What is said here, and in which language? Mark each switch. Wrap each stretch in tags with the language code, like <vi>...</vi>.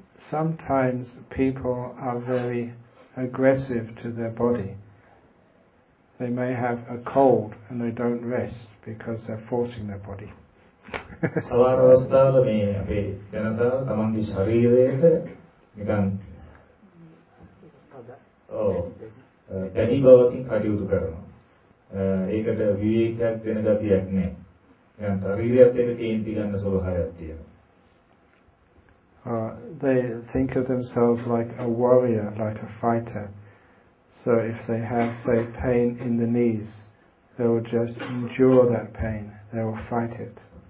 <en>Sometimes people are very aggressive to their body. They may have a cold and they don't rest because they're forcing their body.</en> <si>සමහර අවස්ථාවල මේ අපේ ජනතාව තමන්ගේ ශරීරයට නිකන් දැඩි බවකින් කටයුතු කරනවා. ඒකට විවේකයක් දෙන ගතියක් නැහැ. නිකන් ශරීරයත් එක්ක කේන්ති ගන්න ස්වභාවයක් තියෙනවා.</si> <en>They think of themselves like a warrior, like a fighter. So if they have, say, pain in the knees, they will just endure that pain. They will fight it.</en>